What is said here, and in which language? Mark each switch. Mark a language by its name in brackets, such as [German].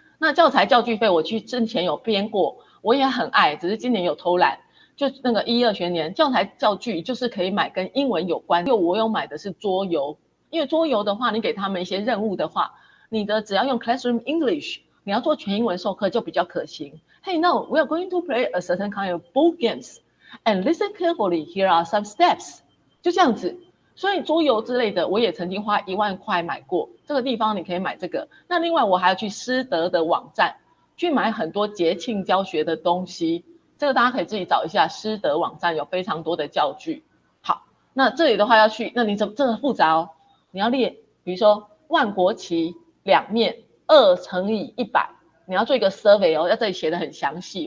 [Chinese] 那教材教具费我去之前有编过，我也很爱，只是今年有偷懒，就那个12学年教材教具就是可以买跟英文有关，因为我有买的是桌游，因为桌游的话你给他们一些任务的话，你的只要用 Classroom English， 你要做全英文授课就比较可行。 [English] Hey, now we are going to play a certain kind of board games, and listen carefully. Here are some steps. [Chinese] 就这样子。所以桌游之类的，我也曾经花10000块买过。这个地方你可以买这个。那另外我还要去师德的网站去买很多节庆教学的东西。这个大家可以自己找一下，师德网站有非常多的教具。好，那这里的话要去，那你怎么这个复杂哦？你要列，比如说万国旗两面2×100，你要做一个 survey 哦，要这里写的很详细。